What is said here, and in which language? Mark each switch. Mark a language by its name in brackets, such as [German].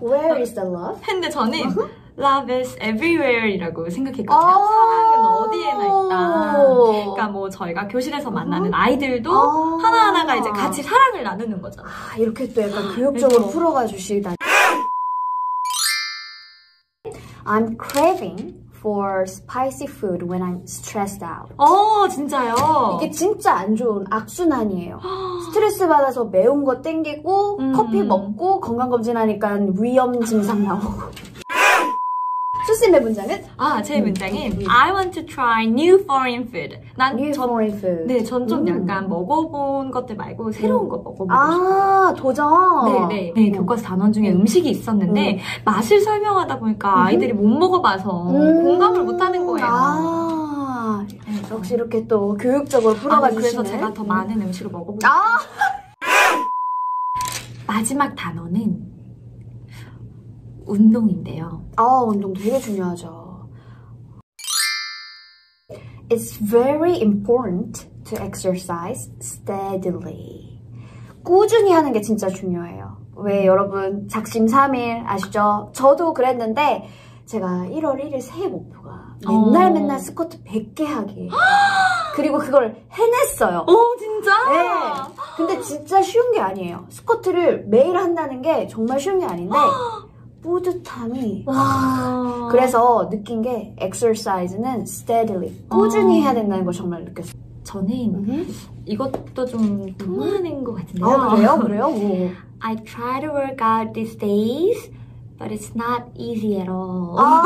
[English] Where is the love? [Korean] 근데 저는 [English] love is everywhere [Korean] 이라고 생각했거든요. 사랑은 어디에나 있다. 그러니까 뭐 저희가 교실에서 만나는 아이들도 하나하나가 이제 같이 사랑을 나누는 거죠. 이렇게 또 약간 교육적으로 풀어가 주시다니. [English] I'm craving for spicy food when I'm stressed out. [Korean] 진짜요? 이게 진짜 안 좋은 악순환이에요. 스트레스 받아서 매운 거 땡기고 커피 먹고 건강검진 하니까 위염 증상 나오고. 수쌤의 문장은? 제 문장은 [English] I want to try new foreign food. [Korean] 난 [English] new foreign food. [Korean] 네, 전 좀 약간 먹어본 것들 말고 새로운 거 먹어보고 싶어요. 도전? 네. 네, 교과서 단원 중에 음식이 있었는데 맛을 설명하다 보니까 아이들이 못 먹어봐서 공감을 못하는 거예요. 역시 이렇게 또 교육적으로 풀어가 주시네. 그래서 제가 더 많은 음식을 먹어보고 마지막 단어는 운동인데요. 운동 되게 중요하죠. [English] It's very important to exercise steadily. [Korean] 꾸준히 하는 게 진짜 중요해요. 왜 여러분 작심삼일 아시죠? 저도 그랬는데 제가 1월 1일 새해 목표가 맨날 스쿼트 100개 하기. 그리고 그걸 해냈어요. 진짜? 네. 근데 진짜 쉬운 게 아니에요. 스쿼트를 매일 한다는 게 정말 쉬운 게 아닌데 뿌듯함이. 그래서 느낀 게 exercise는 steadily 꾸준히 해야 된다는 걸 정말 느꼈어요. 저는 이것도 좀 통하는 것 같은데요. 그래요? 오. [English] I try to work out these days, but it's not easy at all.